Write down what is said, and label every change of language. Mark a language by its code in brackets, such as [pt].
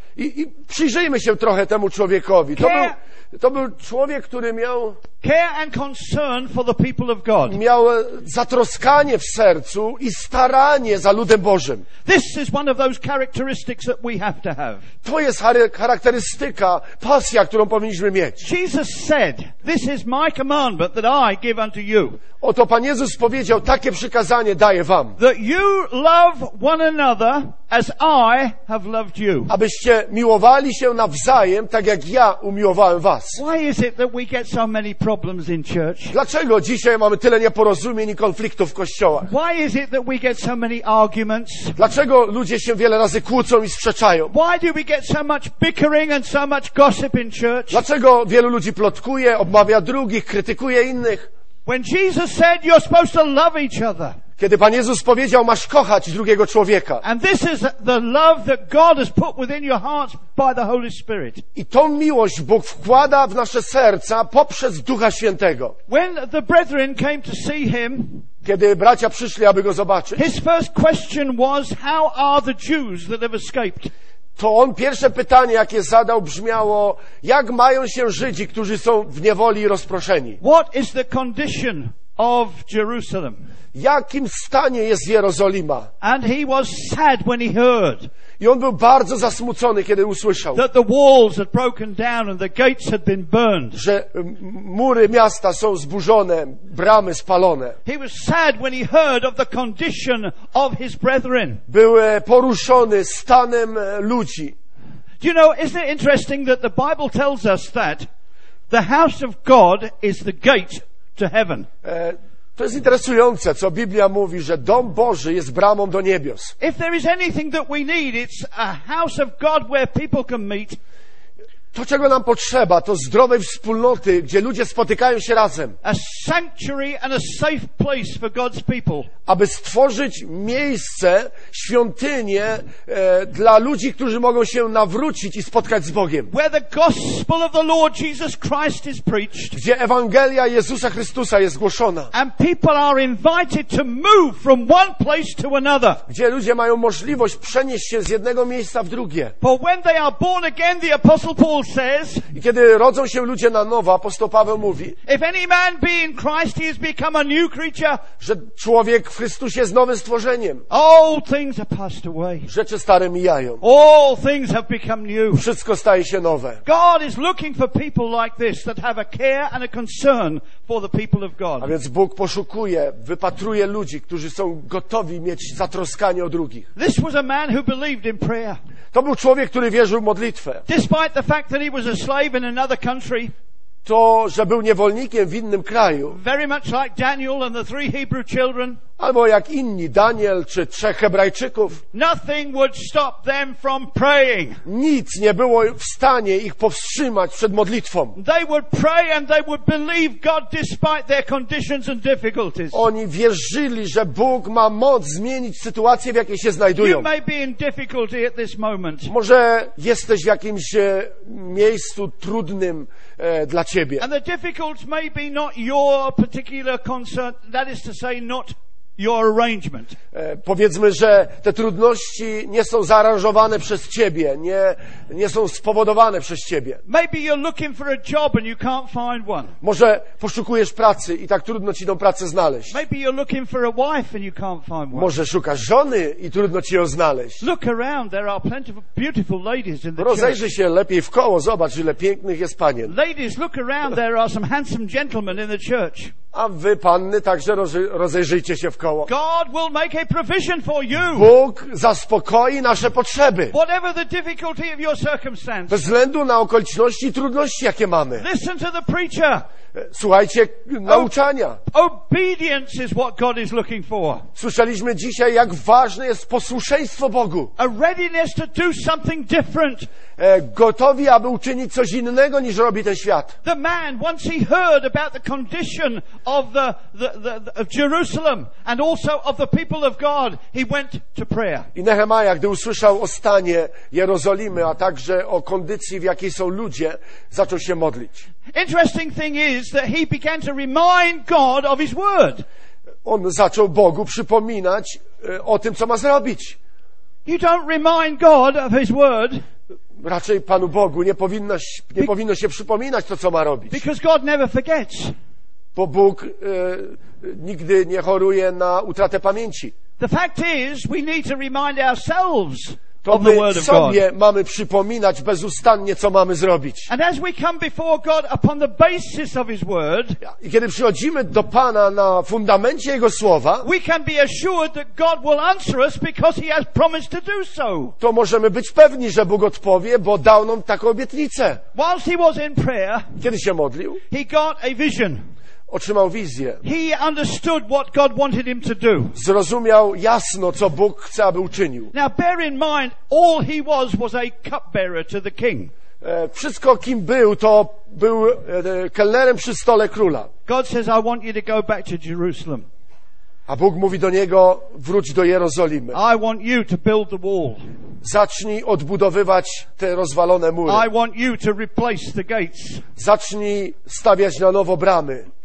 [pl] I przyjrzyjmy się trochę temu człowiekowi. To był człowiek, który miał [en] care and concern for the people of God. [pl] Miał zatroskanie w sercu i staranie za ludem Bożym. [en] This is one of those characteristics that we have to have. [pl] To jest charakterystyka, pasja, którą powinniśmy mieć. [en] Jesus said, "This is my commandment that I give unto you." [pl] Oto Pan Jezus powiedział, takie przykazanie daję wam. [en] That you love one another as I have loved you. [pl] Abyście miłowali się nawzajem, tak jak ja umiłowałem was. [en] Why is it that we get so many problems in church? [pl] Dlaczego dzisiaj mamy tyle nieporozumień i konfliktów w kościołach? [en] Why is it that we get so many arguments? [pl] Dlaczego ludzie się wiele razy kłócą i sprzeczają? [en] Why do we get so much bickering and so much gossip in church? [pl] Dlaczego wielu ludzi plotkuje, obmawia drugich, krytykuje innych? [en] When Jesus said you're supposed to love each other. [pl] Kiedy Pan Jezus powiedział, masz kochać drugiego człowieka. [en] And this is the love that God has put within your hearts by the Holy Spirit. [pl] I tą miłość Bóg wkłada w nasze serca poprzez Ducha Świętego. [en] When the brethren came to see him, [pl] kiedy bracia przyszli, aby go zobaczyć. [en] His first question was, how are the Jews that have escaped? [pl] To on pierwsze pytanie, jakie zadał, brzmiało, jak mają się Żydzi, którzy są w niewoli i rozproszeni? [en] What is the condition of Jerusalem? [pl] Jakim stanie jest Jerozolima? [en] And he was sad when he heard. [pl] I on był bardzo zasmucony, kiedy usłyszał, [en] that the walls had broken down and the gates had been burned. [pl] Że mury miasta są zburzone, bramy spalone. [en] He was sad when he heard of the condition of his brethren. [pl] Był poruszony stanem ludzi. [en] Do you know, isn't it interesting that the Bible tells us that the house of God is the gate to heaven? [pl] To jest interesujące, co Biblia mówi, że dom Boży jest bramą do niebios. [en] If there is anything that we need, it's a house of God where people can meet. [pl] To, czego nam potrzeba, to zdrowej wspólnoty, gdzie ludzie spotykają się razem. [en] A sanctuary and a safe place for God's people. [pl] Aby stworzyć miejsce, świątynię dla ludzi, którzy mogą się nawrócić i spotkać z Bogiem. [en] Where the gospel of the Lord Jesus Christ is preached. [pl] Gdzie Ewangelia Jezusa Chrystusa jest głoszona. [en] And people are invited to move from one place to another. [pl] Gdzie ludzie mają możliwość przenieść się z jednego miejsca w drugie. [en] For when they are born again, the apostle Paul says, [pl] i kiedy rodzą się ludzie na nowo, apostoł Paweł mówi, [en] if any man be in Christ, he has become a new creature. [pl] Że człowiek w Chrystusie jest nowym stworzeniem. [en] All things have passed away. [pl] Rzeczy stare mijają. [en] All things have become new. [pl] Wszystko staje się nowe. [en] God is looking for people like this that have a care and a concern for the people of God. [pl] A więc Bóg poszukuje, wypatruje ludzi, którzy są gotowi mieć zatroskanie o drugich. [en] This was a man who believed in prayer. [pl] To był człowiek, który wierzył w modlitwę. [en] Despite the fact that he was a slave in another country, [pl] to, że był niewolnikiem w innym kraju, [en] very much like Daniel and the three Hebrew children, [pl] albo jak inni, Daniel czy trzech Hebrajczyków, [en] nothing would stop them from praying. [pl] Nic nie było w stanie ich powstrzymać przed modlitwą. [en] They would pray and they would believe God despite their conditions and difficulties. [pl] Oni wierzyli, że Bóg ma moc zmienić sytuację, w jakiej się znajdują. [en] You may be in difficulty at this moment. [pl] Może jesteś w jakimś miejscu trudnym dla ciebie. [en] And the difficulties may be not your particular concern, that is to say, not your arrangement. [pl] Powiedzmy, że te trudności nie są zaaranżowane przez ciebie, nie są spowodowane przez ciebie. [en] Maybe you're looking for a job and you can't find one. [pl] Może poszukujesz pracy i tak trudno ci tą pracę znaleźć. [en] Maybe you're looking for a wife and you can't find one. [pl] Może szukasz żony i trudno ci ją znaleźć. [en] Look around, there are plenty of beautiful ladies in the church. [pl] Rozejrzyj się lepiej wkoło, zobacz, ile pięknych jest panien. [en] Ladies, look around, there are some handsome gentlemen in the church. [pl] A wy, panny, także rozejrzyjcie się wkoło. [en] God will make a provision for you. [pl] Bóg zaspokoi nasze potrzeby. [en] Whatever the difficulty of your circumstances. [pl] Bez względu na okoliczności i trudności, jakie mamy. [en] Listen to the preacher. [pl] Słuchajcie nauczania. [en] Obedience is what God is looking for. [pl] Słyszeliśmy dzisiaj, jak ważne jest posłuszeństwo Bogu. [en] A readiness to do something different. [pl] Gotowi, aby uczynić coś innego, niż robi ten świat. [en] The man, once he heard about the condition of of Jerusalem and also of the people of God, he went to prayer. [pl] I Nehemia, gdy usłyszał o stanie Jerozolimy, a także o kondycji, w jakiej są ludzie, zaczął się modlić. [en] Interesting thing is that he began to remind God of his word. [pl] On zaczął Bogu przypominać o tym, co ma zrobić. [en] You don't remind God of his word. [pl] Raczej Panu Bogu nie powinno się przypominać to, co ma robić. [en] Because God never forgets. [pl] Bo Bóg nigdy nie choruje na utratę pamięci. [en] The fact is, we need to remind ourselves. [pl] To my sobie mamy przypominać bezustannie, co mamy zrobić. [en] And as we come before God upon the basis of His word, [pl] i kiedy przychodzimy do Pana na fundamencie Jego słowa, [en] we can be assured that God will answer us because He has promised to do so. [pl] To możemy być pewni, że Bóg odpowie, bo dał nam taką obietnicę. [en] Whilst he was in prayer, [pl] kiedy się modlił, [en] he got a vision. [pl] Otrzymał wizję. [en] He understood what God wanted him to do. [pl] Zrozumiał jasno, co Bóg chce, aby uczynił. [en] Now bear in mind, all he was a cupbearer to the king. [pl] Wszystko, kim był, to był kelnerem przy stole króla. [en] God says, I want you to go back to Jerusalem. [pl] A Bóg mówi do niego, wróć do Jerozolimy. [en] I want you to build the wall. [pl] Zacznij odbudowywać te rozwalone mury. [en] I want you to replace the gates. [pl] Zacznij stawiać na nowo bramy.